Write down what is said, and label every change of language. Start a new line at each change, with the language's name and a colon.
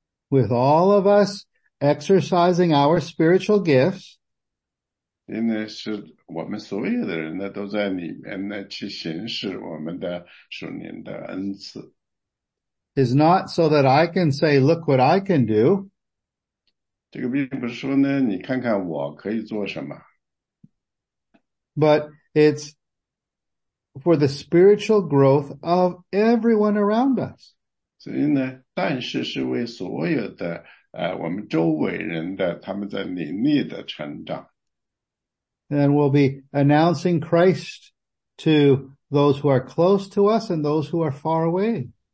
English: with all of us exercising our spiritual gifts,
Chinese: 因为是我们所有的人呢，都在里面呢，去行使我们的属灵的恩赐。
English: Is not so that I can say, look what I can do.
Chinese: 这个并不是说呢，你看看我可以做什么。
English: But it's for the spiritual growth of everyone around us.
Chinese: 所以呢，但是是为所有的，我们周围人的，他们在灵力的成长。
English: And we'll be announcing Christ to those who are close to us and those who are far away.